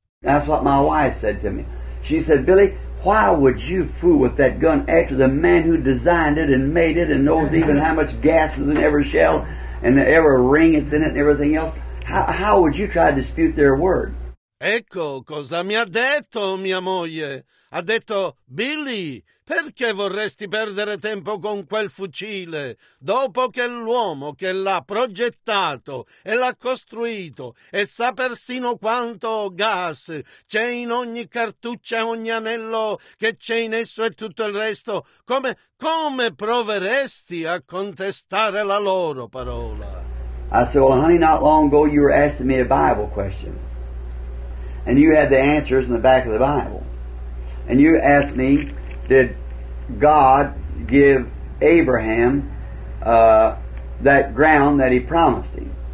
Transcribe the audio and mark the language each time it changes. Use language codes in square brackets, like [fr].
[en] That's what my wife said to me. She said, Billy, why would you fool with that gun after the man who designed it and made it and knows even how much gas is in every shell and the every ring it's in it and everything else, how would you try to dispute their word? [it] Ecco cosa mi ha detto mia moglie. Ha detto, Billy, perché vorresti perdere tempo con quel fucile? Dopo che l'uomo che l'ha progettato e l'ha costruito e sa persino quanto gas c'è in ogni cartuccia, ogni anello che c'è in esso e tutto il resto, come proveresti a contestare la loro parola? [en] I said, well, honey, not long ago you were asking me a Bible question. And you had the answers in the back of the Bible. And you asked me, did God give Abraham that ground that he promised him?